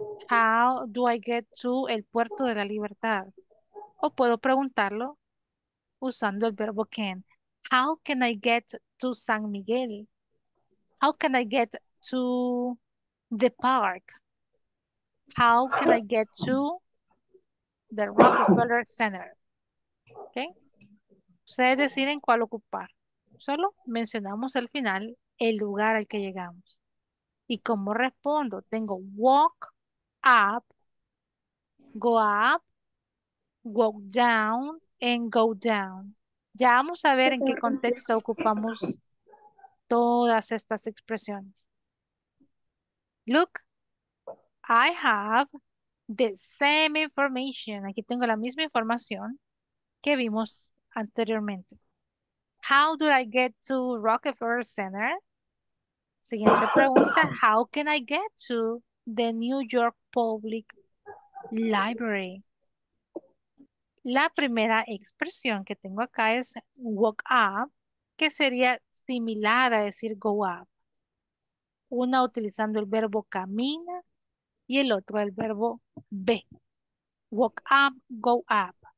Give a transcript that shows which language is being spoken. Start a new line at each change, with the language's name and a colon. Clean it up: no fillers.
English: How do I get to
Spanish: el Puerto de la Libertad? O puedo preguntarlo usando el verbo can.
English: How can I get to San Miguel? How can I get to the park? How can I get to the Rockefeller Center.
Spanish: ¿Ok? Ustedes deciden cuál ocupar. Solo mencionamos al final el lugar al que llegamos. ¿Y cómo respondo? Tengo
English: walk up, walk down, and go down.
Spanish: Ya vamos a ver en qué contexto ocupamos todas estas expresiones.
English: Look, I have the same information.
Spanish: Aquí tengo la misma información que vimos anteriormente.
English: How do I get to Rockefeller Center?
Spanish: Siguiente pregunta.
English: How can I get to the New York Public Library?
Spanish: La primera expresión que tengo acá es walk up, que sería similar a decir go up. Una utilizando el verbo camina, y el otro el verbo be.
English: Walk up, go up.